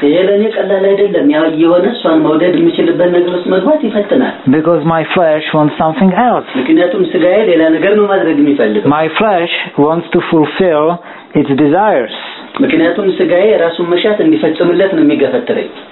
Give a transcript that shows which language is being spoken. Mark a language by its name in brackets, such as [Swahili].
[Amharic] የለኔ ቀላል አይደለም ያው የሆነ እሷን መውደድ የምችልበት ነገር ውስጥ መግባት ይፈትናል [English] because my flesh wants something else [Amharic] ምክንያቱም ስጋዬ ሌላ ነገር ነው ማድረግ የሚፈልገው [English] my flesh wants to fulfill its desires [Amharic] ምክንያቱም ስጋዬ ራሱን መሻት እንዲፈጽምለት ነው የሚገፈትረኝ